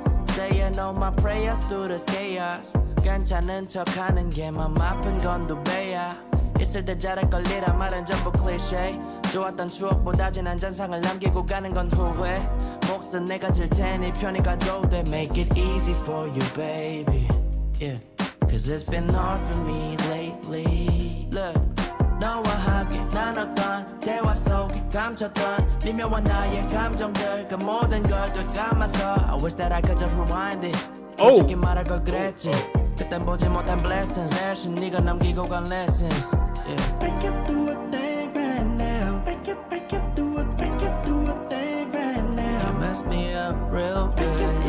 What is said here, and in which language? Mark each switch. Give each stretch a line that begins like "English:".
English: Saying all my prayers through the chaos.
Korean: 괜찮은 척 하는 게 맘 아픈 건 두 배야. 있을 때 잘할 걸 이란 말은 전부 cliché. 좋았던 추억보다 지난 잔상을 남기고 가는 건 후회. 몫은 내가 질 테니 편히 가도 돼.
English: Make it easy for you, baby. Yeah. Cause it's been hard for me lately. Look.
Korean: 너와 함께 나눴던 대화 속에 감췄던 네 묘한 나의 감정들 그 모든 걸 되감아서
English: I wish that I could just rewind it.
Korean: 솔직히 말할 걸 그랬지. 그땐 보지 못한 blessings. 대신 네가 남기고 간 lessons.
English: Yeah. I can do a thing right now. I can do a thing right now. You mess me up real good.